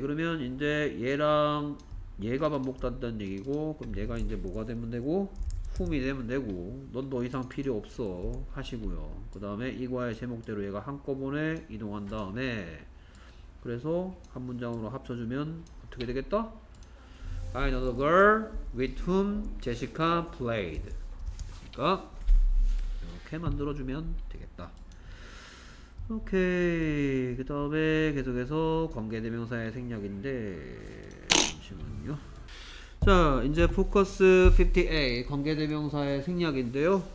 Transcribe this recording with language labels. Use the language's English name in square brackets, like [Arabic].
[Korean] 그러면 이제 얘랑 얘가 반복된다는 얘기고, 그럼 얘가 이제 뭐가 되면 되고 품이 되면 되고, 넌 더 이상 필요 없어 하시고요. 그 다음에 이과의 제목대로 얘가 한꺼번에 이동한 다음에, 그래서 한 문장으로 합쳐주면 어떻게 되겠다? [English] I know the girl with whom Jessica played. [Korean] 그러니까 이렇게 만들어주면 되겠다. 오케이. 그 다음에 계속해서 관계대명사의 생략인데, 잠시만요. 자, 이제 포커스 50A 관계대명사의 생략인데요.